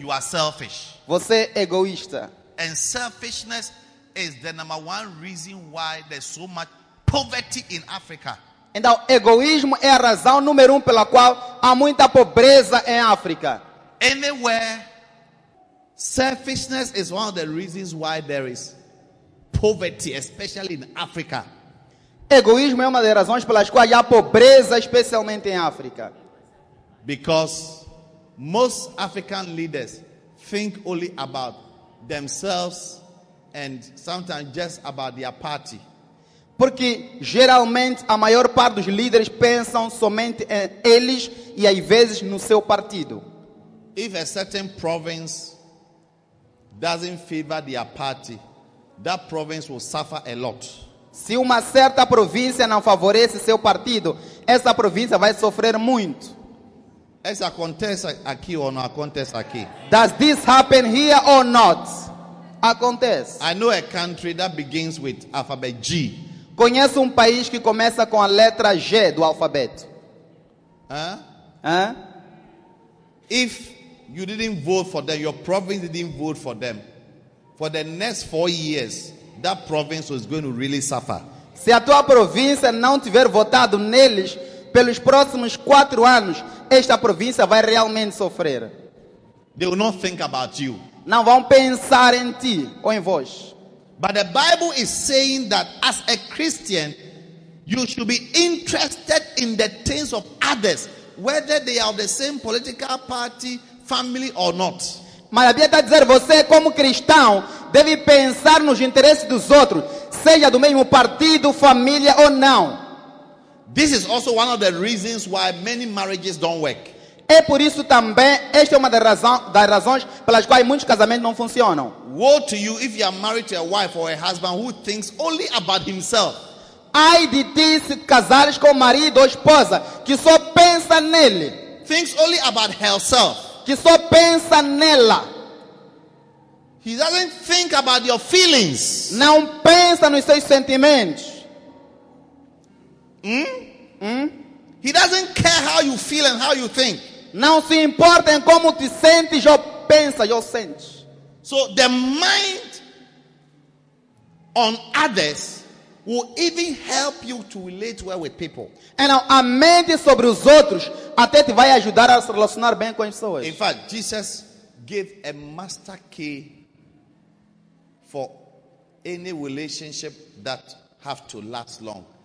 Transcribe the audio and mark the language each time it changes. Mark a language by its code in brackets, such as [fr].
[en] You are selfish. [pt] Você é egoísta. [en] And selfishness is the number one reason why there's so much poverty in Africa. [pt] Então, egoísmo é a razão número um pela qual há muita pobreza em África. [en] Anywhere, selfishness is one of the reasons why there is poverty, especially in Africa. [pt] Egoísmo é uma das razões pelas quais há pobreza, especialmente em África. [en] Because most African leaders think only about themselves and sometimes just about their party. [pt] Porque geralmente a maior parte dos líderes pensam somente em eles e às vezes no seu partido. [en] If a certain province doesn't favor their party, that province will suffer a lot. [pt] Se uma certa província não favorece seu partido, essa província vai sofrer muito. Isso acontece aqui ou não acontece aqui? [en] Does this happen here or not? [pt] Acontece. [en] I know a country that begins with alphabet G. [pt] Conheço um país que começa com a letra G do alfabeto. [en] If you didn't vote for them, your province didn't vote for them, for the next 4 years, that province was going to really suffer. [pt] Se a tua província não tiver votado neles pelos próximos 4 anos, esta província vai realmente sofrer. [en] They will not think about you. [pt] Não vão pensar em ti ou em vós. [en] But the Bible is saying that as a Christian, you should be interested in the things of others, whether they are of the same political party, family or not. [pt] Mas a Bíblia está dizendo, você como cristão deve pensar nos interesses dos outros, seja do mesmo partido, família ou não. [en] This is also one of the reasons why many marriages don't work. [pt] É por isso também, esta é uma das razões pelas quais muitos casamentos não funcionam. [en] Woe to you if you are married to a wife or a husband who thinks only about himself. [pt] Ai de ti se casares com marido ou esposa que só pensa nele. [en] Thinks only about herself. [pt] Que só pensa nela. [en] He doesn't think about your feelings. [pt] Não pensa nos seus sentimentos. [en] He doesn't care how you feel and how you think. [pt] Não se importa em como te sentes ou pensa, ou sente. [en] So the mind on others will even help you to relate well with people. [pt] And a mente sobre os outros até te vai ajudar a se relacionar bem com as pessoas. [en] In fact, Jesus gave a master key for any relationship that have to last long.